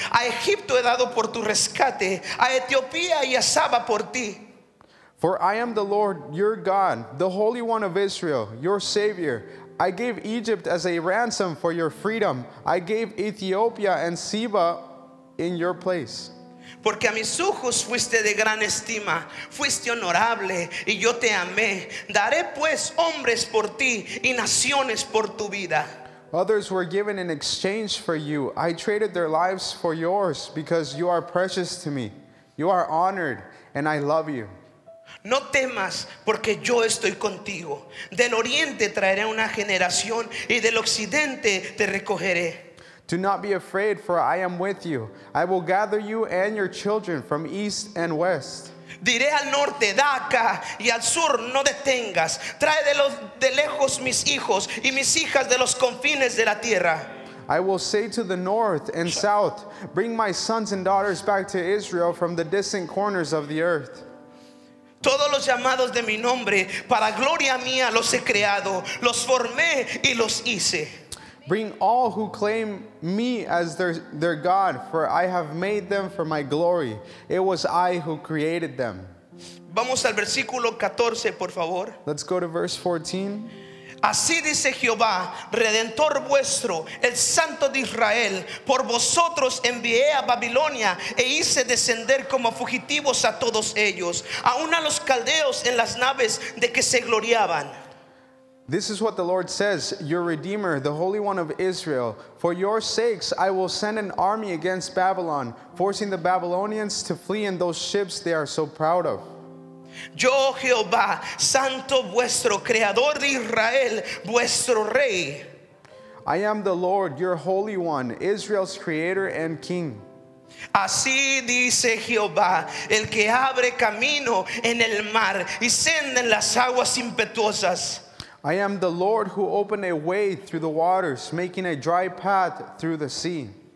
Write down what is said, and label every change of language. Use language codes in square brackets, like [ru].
[es] A Egipto he dado por tu rescate, a Etiopía y a Saba por ti. [en] For I am the Lord, your God, the Holy One of Israel, your Savior. I gave Egypt as a ransom for your freedom. I gave Ethiopia and Seba in your place. [es] Porque a mis ojos fuiste de gran estima, fuiste honorable y yo te amé. Daré pues hombres por ti y naciones por tu vida. [en] Others were given in exchange for you. I traded their lives for yours because you are precious to me. You are honored and I love you. [es] No temas porque yo estoy contigo. Del oriente traeré una generación y del occidente te recogeré. [en] Do not be afraid, for I am with you. I will gather you and your children from east and west. [es] Diré al norte, da acá, y al sur, no detengas. Trae de lejos mis hijos y mis hijas de los confines de la tierra. [en] I will say to the north and south, bring my sons and daughters back to Israel from the distant corners of the earth. [es] Todos los llamados de mi nombre, para gloria mía los he creado, los formé y los hice. [en] Bring all who claim me as their God, for I have made them for my glory. It was I who created them. [es] Vamos al versículo 14, por favor. [en] Let's go to verse 14. [es] Así dice Jehová, Redentor vuestro, el Santo de Israel. Por vosotros envié a Babilonia e hice descender como fugitivos a todos ellos, aun a los caldeos en las naves de que se gloriaban. [en] This is what the Lord says, your Redeemer, the Holy One of Israel. For your sakes, I will send an army against Babylon, forcing the Babylonians to flee in those ships they are so proud of. [es] Yo, Jehová, Santo vuestro, Creador de Israel, vuestro Rey. [en] I am the Lord, your Holy One, Israel's Creator and King. [es] Así dice Jehová, el que abre camino en el mar y sende en las aguas impetuosas. [en] I am the Lord who opened a way through the waters, making a dry path through the sea.